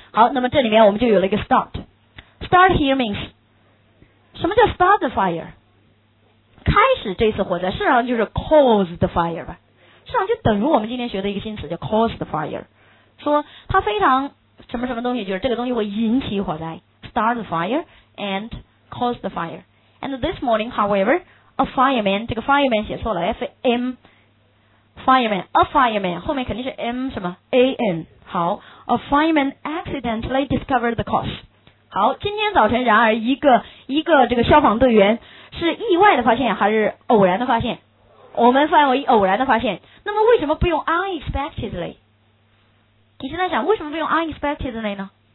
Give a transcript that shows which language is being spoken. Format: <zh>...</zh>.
<zh>好，那么这里面我们就有了一个 start，</zh> <en>start here means</en> <zh>什么叫</zh> <en>start the fire？</en> <zh>开始这次火灾，事实上就是</zh> <en>cause the fire</en> <zh>吧，实际上就等于我们今天学的一个新词叫 cause the fire， 说它非常什么什么东西，就是这个东西会引起火灾，</zh> <en>start the fire and cause the fire。 And this morning however a fireman，</en> <zh>这个</zh> <en>fireman</en> <zh>写错了，</zh> <en>FM fireman， a fireman</en> <zh>后面肯定是</zh> <en>M 什么 AN。好， a fireman accidentally discovered the cause。</en> <zh>好，今天早晨然而一个这个消防队员是意外的发现还是偶然的发现？我们范围偶然的发现。那么为什么不用 unexpectedly？ 你现在想为什么不用 unexpectedly 呢？</zh>